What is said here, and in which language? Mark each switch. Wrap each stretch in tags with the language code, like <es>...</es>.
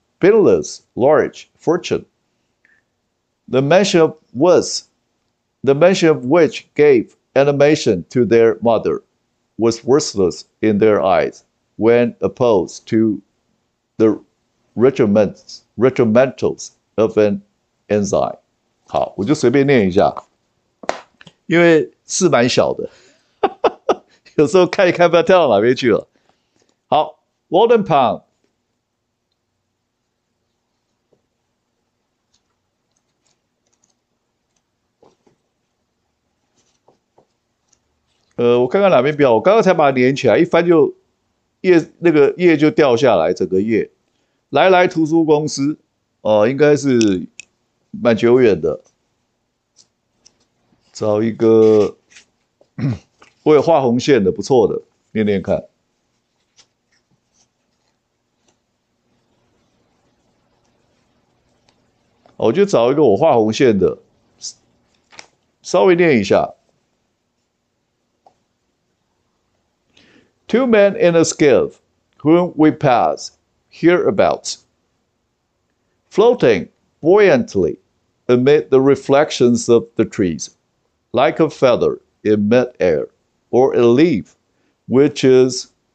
<en>Binley's large fortune, the mention of which gave animation to their mother, was worthless in their eyes when opposed to the regimentals of an enzyme.</en> <zh>好，我就随便念一下，因为字蛮小的，有时候看一看不知道跳到哪边去了。好 ，Walden Pond， 我看看哪边标，我刚刚才把它连起来，一翻就页那个页就掉下来，整个页。来来图书公司，应该是蛮久远的。找一个会画红线的，不错的，念念看。我就找一个我画红线的，稍微念一下。</zh> <en>Two men in a skiff, whom we pass hereabouts, floating buoyantly amid the reflections of the trees, like a feather in mid-air, or a leaf which is</en>